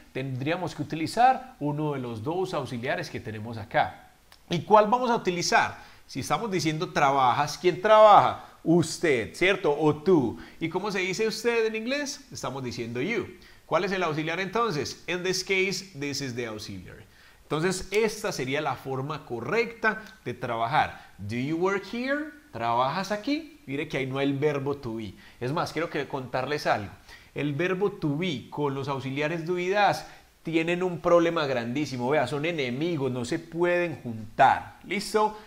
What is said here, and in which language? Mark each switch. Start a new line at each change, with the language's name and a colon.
Spanish: Tendríamos que utilizar uno de los dos auxiliares que tenemos acá. ¿Y cuál vamos a utilizar? Si estamos diciendo trabajas, ¿quién trabaja? Usted, ¿cierto? O tú. ¿Y cómo se dice usted en inglés? Estamos diciendo you. ¿Cuál es el auxiliar entonces?
English: In this case, this is the auxiliary.
Spanish: Entonces, esta sería la forma correcta de trabajar.
English: Do you work here?
Spanish: ¿Trabajas aquí? Mire que ahí no hay el verbo to be. Es más, quiero que contarles algo. El verbo to be con los auxiliares do y das tienen un problema grandísimo. Vea, son enemigos, no se pueden juntar. ¿Listo?